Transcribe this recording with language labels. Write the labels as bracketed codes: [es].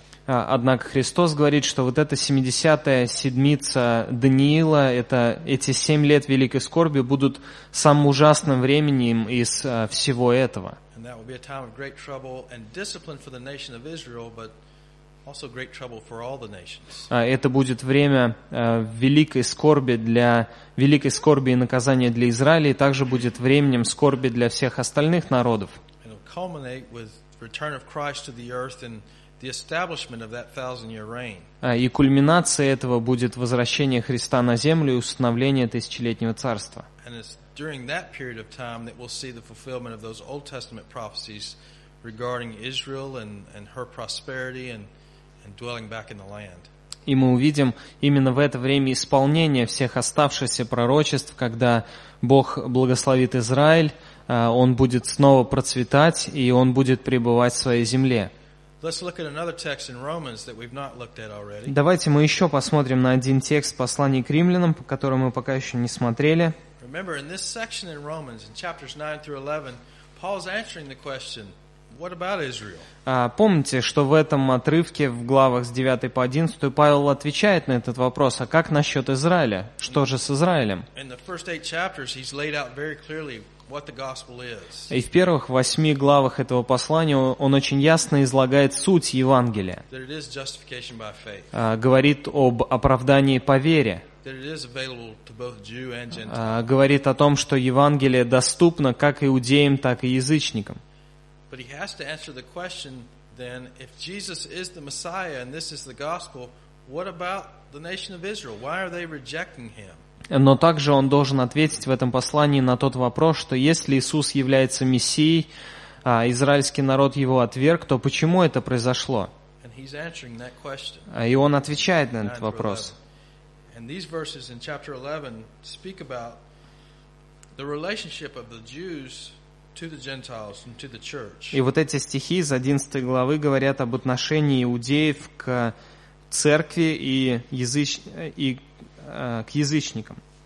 [ru] Однако Христос говорит, что вот эта 70-я седмица Даниила, эти 7 лет великой скорби будут самым ужасным временем из всего этого. [en] And that will be a time of great trouble and discipline for the nation of Israel, but also great trouble for all the nations. [ru] Это будет время великой скорби и наказания для Израиля, и также будет временем скорби для всех остальных народов. [en] It'll culminate with the return of Christ to the earth and the establishment of that thousand-year reign. [ru] И кульминацией этого будет возвращение Христа на землю и установление тысячелетнего царства. [en] And it's during that period of time that we'll see the fulfillment of those Old Testament prophecies regarding Israel and her prosperity and dwelling back in the land. [ru] И мы увидим именно в это время исполнение всех оставшихся пророчеств, когда Бог благословит Израиль, он будет снова процветать, и он будет пребывать в своей земле. Давайте мы еще посмотрим на один текст послания к римлянам, по которому мы пока еще не смотрели. [en] Remember, in this section in Romans, in chapters 9 through 11, Paul's answering the question, what about Israel? [ru] Помните, что в этом отрывке, в главах с 9 по 11, Павел отвечает на этот вопрос, а как насчет Израиля? Что же с Израилем? [en] In the first eight chapters, he's laid out very clearly what the gospel is. [ru] И в первых восьми главах этого послания он очень ясно излагает суть Евангелия. [en] That it is justification by faith. [ru] Говорит об оправдании по вере. [en] That it is available to both Jew and Gentile. [ru] Говорит о том, что Евангелие доступно как иудеям, так и язычникам. [en] But he has to answer the question then, if Jesus is the Messiah and this is the gospel, what about the nation of Israel? Why are they rejecting him? [ru] Но также он должен ответить в этом послании на тот вопрос, что если Иисус является Мессией, а израильский народ его отверг, то почему это произошло? [en] And he's answering that question. [ru] И он отвечает на этот вопрос. [en] And these verses in chapter 11 speak about the relationship of the Jews to the Gentiles and to the church. [ru] И вот эти стихи из 11 главы говорят об отношении иудеев к церкви и к язычникам.